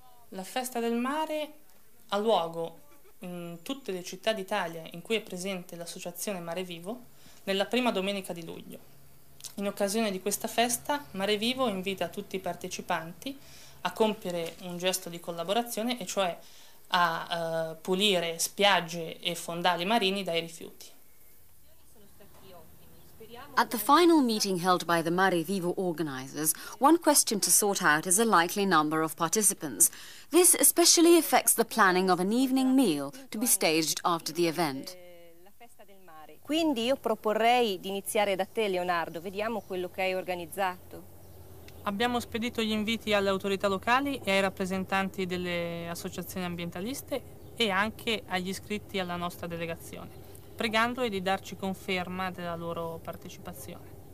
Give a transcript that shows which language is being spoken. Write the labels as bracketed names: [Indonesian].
[Italian] La Festa del Mare ha luogo in tutte le città d'Italia in cui è presente l'associazione Mare Vivo nella prima domenica di luglio. In occasione di questa festa, Mare Vivo invita tutti i partecipanti a compiere un gesto di collaborazione, e cioè a pulire spiagge e fondali marini dai rifiuti. [English] At the final meeting held by the Mare Vivo organizers, one question to sort out is the likely number of participants. This especially affects the planning of an evening meal to be staged after the event. [Italian] Quindi io proporrei di iniziare da te, Leonardo. Vediamo quello che hai organizzato. Abbiamo spedito gli inviti alle autorità locali e ai rappresentanti delle associazioni ambientaliste e anche agli iscritti alla nostra delegazione, pregandoli di darci conferma della loro partecipazione.